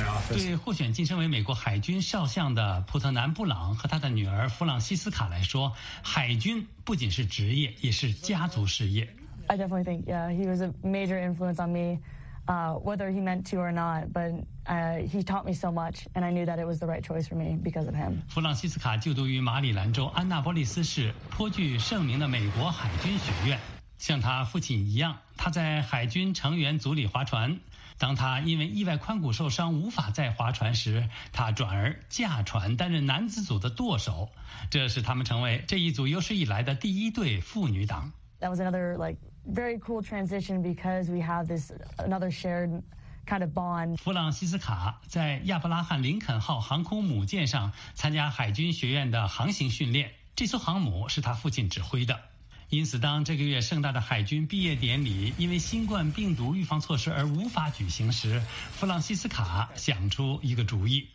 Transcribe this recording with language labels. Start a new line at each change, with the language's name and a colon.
Chinese: 对候选晋升为美国海军少将的普特南布朗和他的女儿弗朗西斯卡来说，海军不仅是职业，也是家族事业。
English: I definitely think, yeah, he was a major influence on me, whether he meant to or not, but he taught me so much, and I knew that it was the right choice for me because of him.
Chinese: 弗朗西斯卡就读于马里兰州安纳波利斯市颇具盛名的美国海军学院。像他父亲一样，他在海军成员组里划船。当他因为意外髋骨受伤无法再划船时，他转而驾船担任男子组的舵手，这使他们成为这一组有史以来的第一对妇女党。
English: That was another like very cool transition because we have this another sharedKind of bond.
Chinese: 弗朗西斯卡在亚伯拉罕林肯号航空母舰上参加海军学院的航行训练，这艘航母是他父亲指挥的。因此当这个月盛大的海军毕业典礼因为新冠病毒预防措施而无法举行时，弗朗西斯卡想出一个主意。